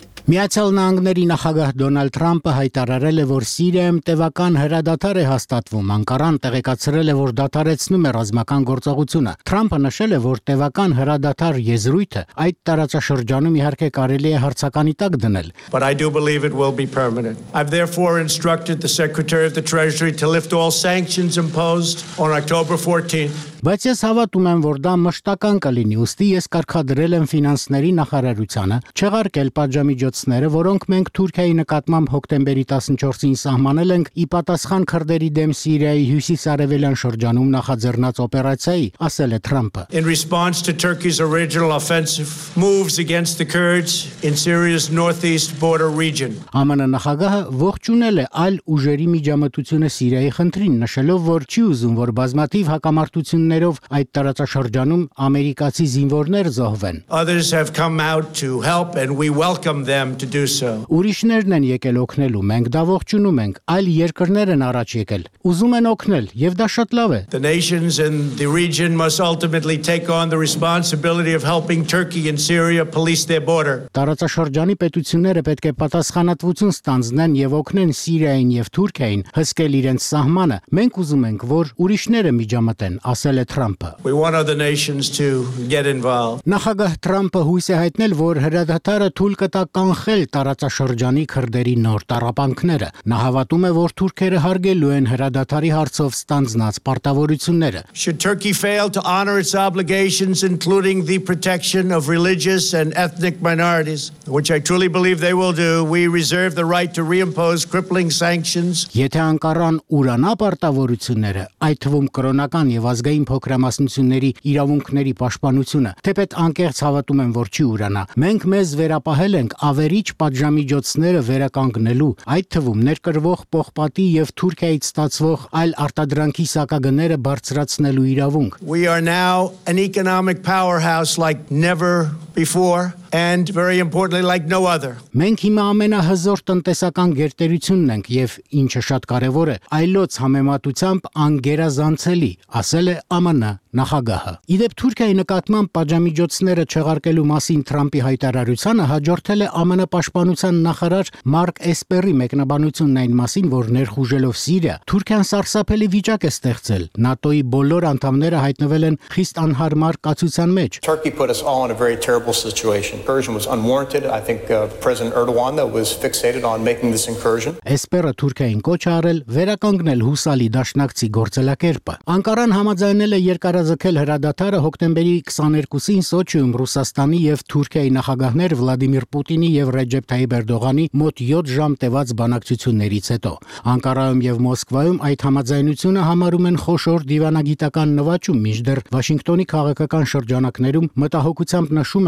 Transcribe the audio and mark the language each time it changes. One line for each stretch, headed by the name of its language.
Armenian: Միացյալ Նահանգների նախագահ Դոնալդ Թրամփը հայտարարել է, որ Սիրիայում տևական հրադադար է հաստատվում։ Անկարան տեղեկացրել է, որ դադարեցնում է ռազմական գործողությունը։ Թրամփը նշել է, որ տևական հրադադար եզրույթը այդ տարածաշրջանում իհարկե կարելի է հարցականի տակ դնել։
English: But I do believe it will be permanent. I've therefore instructed the Secretary of the Treasury to lift all sanctions imposed on October 14th.
Armenian: Բայց ես հավատում եմ, որ դա մշտական կլինի, ուստի ես կարգադրել եմ ֆինանսների նախարարությանը չեղարկել պատժամիջոցները, որոնք մենք Թուրքիայի նկատմամբ հոկտեմբերի 14-ին սահմանել ենք ի պատասխան քրդերի դեմ Սիրիայի հյուսիսարևելյան շրջանում նախաձեռնած օպերացիայի, ասել է Թրամփը։
English: In response to Turkey's original offensive moves against the Kurds in Syria's northeast border region.
Armenian: ԱՄՆ նախագահը ողջունել է այլ ուժերի միջամտությունը Սիրիայի խնդրին, նշելով, որ չի ուզում, որ բազմաթիվ հակամարտության ներով այդ տարածաշրջանում ամերիկացի զինվորներ զոհվեն։
English: Others have come out to help and we welcome them to do so.
Armenian: Ուրիշներն են եկել օգնելու, մենք դա ողջունում ենք, այլ երկրներ են առաջ եկել, ուզում են օգնել, եւ դա շատ լավ է։
English: The nations in the region must ultimately take on the responsibility of helping Turkey and Syria police their border.
Armenian: Տարածաշրջանի պետությունները պետք է պատասխանատվություն ստանձնեն եւ օգնեն Սիրիային եւ Թուրքիային հսկել իրենց սահմանը։ Մենք ուզում ենք, որ ուրիշները միջամտեն, ասել է Թրամփը։
English: We want other nations to get involved.
Armenian: Նախագահ Թրամփը հույս է հայտնել, որ հրադադարը թույլ կտա կանխել տարածաշրջանի քրդերի նոր տառապանքները։ Նա հավատում է, որ թուրքերը հարգելու են հրադադարի հարցով ստանձնած պարտավորությունները։
English: Should Turkey fail to honor its obligations including the protection of religious and ethnic minorities, which I truly believe they will do, we reserve the right to reimpose crippling sanctions.
Armenian: Եթե Անկարան ուրանա պարտավորությունները, այդ թվում կրոնական և ազգային փոքրամասնությունների իրավունքների պաշտպանությունը, թեպետ անկեղծ հավատում եմ, որ չի ուրանա։ Մենք մեզ վերապահել ենք ավերիչ պատժամիջոցները վերականգնելու, այդ թվում ներկրվող պողպատի և Թուրքիայից ստացվող այլ արտադրանքի սակագները բարձրացնելու իրավունք։
English: We are now an economic powerhouse like never before. And very importantly, like no other.
Armenian: Մենք հիմա ամենահզոր տնտեսական գերտերությունն ենք եւ ինչը շատ կարեւոր է, այլոց համեմատությամբ անգերազանցելի, ասել է ԱՄՆ նախագահը։ Իդեպ Թուրքիայի նկատմամբ պատժամիջոցները չեղարկելու մասին Թրամփի հայտարարությանը հաջորդել է ԱՄՆ պաշտպանության նախարար Մարկ Էսպերի մեկնաբանությունն այն մասին, որ ներխուժելով Սիրիա, Թուրքիան սարսափելի վիճակ է ստեղծել։ ՆԱՏՕ-ի բոլոր անդամները հայտնվել են խիստ անհարմար կացության մեջ։
English: Turkey put us all in a very terrible situation. Incursion was unwarranted. I think President Erdogan that was fixated on making this incursion.
Armenian: Էսպերը Թուրքիային կոչ արել վերականգնել հուսալի դաշնակցի գործելակերպը։ Անկարան համաձայնել է երկարաձգել հրադադարը հոկտեմբերի 22-ին Սոչիում Ռուսաստանի եւ Թուրքիայի նախագահներ Վլադիմիր Պուտինի եւ Ռեջեփ Թայիպ Էրդողանի մոտ 7 ժամ տևած բանակցություններից հետո։ Անկարայում եւ Մոսկվայում այդ համաձայնությունը համարում են խոշոր դիվանագիտական նվաճում, մինչդեռ Վաշինգտոնի քաղաքական շրջանակներում մտահոգությամբ նշում